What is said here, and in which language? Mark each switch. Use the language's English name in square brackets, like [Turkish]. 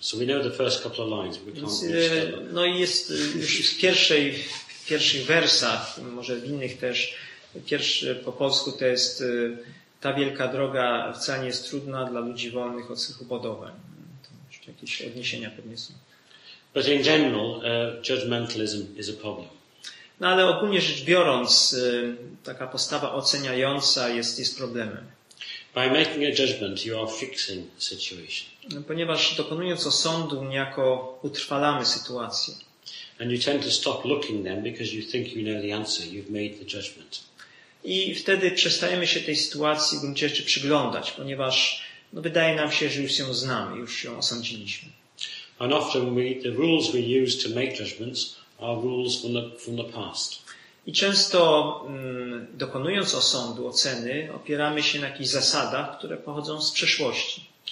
[English] So we know the first couple of lines, but we can't reach the [Polish] No, jest już w pierwszych wersach, może w innych też. Pierwszy po polsku to jest ta wielka droga wcale nie jest trudna dla ludzi wolnych od swych upodobań. To jeszcze jakieś odniesienia pewnie są. [English] But in general, judgmentalism is a problem. [Polish] No ale ogólnie rzecz biorąc, taka postawa oceniająca jest problemem. [English] By making a judgment, you are fixing the situation. [Polish] Ponieważ dokonując osądu, niejako utrwalamy sytuację. [English] And you tend to stop looking then because you think you know the answer. You've made the judgment. [Polish] I wtedy przestajemy się tej sytuacji w gruncie rzeczy przyglądać, ponieważ no, wydaje nam się, że już ją znamy, już ją osądziliśmy. [English] And often the rules we use to make judgments are rules from the past. [Polish] I często dokonując osądu, oceny, opieramy się na jakichś zasadach, które pochodzą z przeszłości.